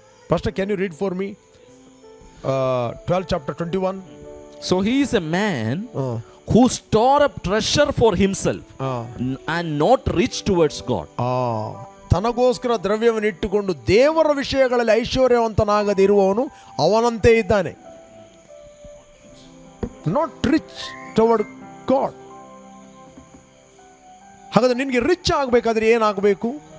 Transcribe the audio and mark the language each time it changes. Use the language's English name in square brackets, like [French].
[English] First can you read for me 12 chapter 21. So he is a man who store up treasure for himself and not rich towards God. [Kannada] ತನಗೋಸ್ಕರ ದ್ರವ್ಯವನ್ನು ಇಟ್ಟುಕೊಂಡು ದೇವರ ವಿಷಯಗಳಲ್ಲಿ ಐಶ್ವರ್ಯವಂತನಾಗದೇ ಇರುವವನು ಅವನಂತೆ ಇದ್ದಾನೆ. [English] Not rich toward God. [Kannada] ಹಾಗಾದ್ರೆ ನಿನಗೆ rich ಆಗಬೇಕಾದ್ರೆ ಏನಾಗಬೇಕು?